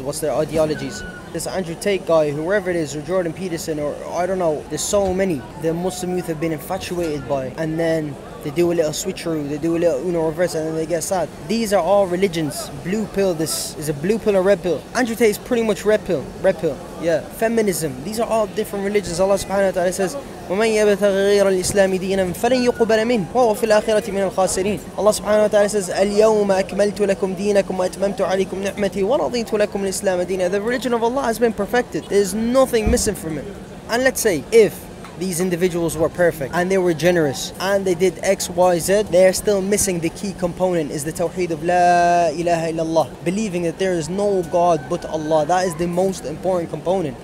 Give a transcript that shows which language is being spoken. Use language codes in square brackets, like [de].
[en] What's their ideologies? This Andrew Tate guy, whoever it is, or Jordan Peterson, or I don't know. There's so many the Muslim youth have been infatuated by. And then they do a little switcheroo, they do a little uno reverse, and then they get sad. These are all religions. Blue pill, this is a blue pill or red pill. Andrew Tate is pretty much red pill. Red pill, yeah. Feminism, these are all different religions. [ar] Allah subhanahu wa ta'ala says, وَمَنْ يَبْتَغِ غَيْرَ الْإِسْلَامِ دِينًا فَلَنْ يُقْبَلَ مِنْهُ وَهُوَ فِي الْآخِرَةِ مِنَ الْخَاسِرِينَ. Allah subhanahu wa ta'ala says, الْيَوْمَ أَكْمَلْتُ لَكُمْ دِينَكُمْ وَأَتْمَمْتُ عَلَيْكُمْ نِعْمَتِي وَرَضِيتُ لَكُمْ الْإِسْلَامَ دِينًا. [en] The religion of Allah has been perfected. There's nothing missing from it. And let's say, if these individuals were perfect and they were generous and they did X, Y, Z, they are still missing the key component, is the tawheed of La ilaha illallah. Believing that there is no God but Allah. That is the most important component.